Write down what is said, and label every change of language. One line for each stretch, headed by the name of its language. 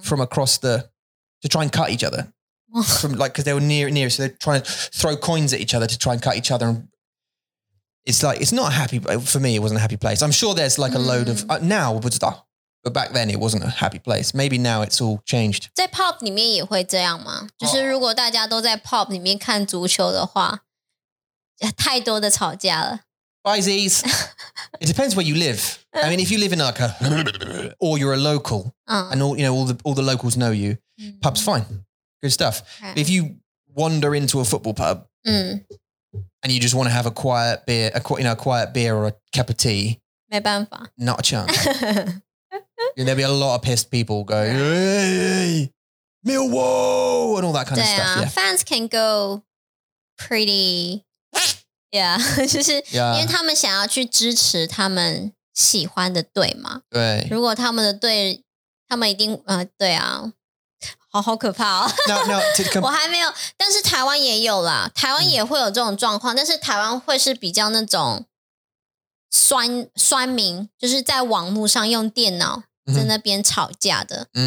English: From across the, to try and cut each other. From like, cause they were near. So they're trying to throw coins at each other to try and cut each other. And it's like, it's not a happy, for me, it wasn't a happy place. I'm sure there's like a load of, now, but back then it wasn't a happy place. Maybe now it's all changed.
Chinese: 在 pop 里面也会这样吗？就是如果大家都在 pop 里面看足球的话，太多的吵架了。
English: Bizzies. It depends where you live. I mean, if you live in like a, or you're a local, and all the locals know you, pub's fine. Good stuff. Okay. If you wander into a football pub, and you just want to have a quiet beer, a quiet beer or a cup of tea.
Chinese: 没办法。
English: Not a chance. There'll be a lot of pissed people going, hey, Millwall, and all that kind of stuff. Yeah. Fans can go pretty, yeah.
Chinese: 就是因为他们想要去支持他们喜欢的队嘛。对。如果他们的队，他们一定，对啊。好可怕哦。我还没有，但是台湾也有啦，台湾也会有这种状况，但是台湾会是比较那种酸民，就是在网络上用电脑在那边吵架的。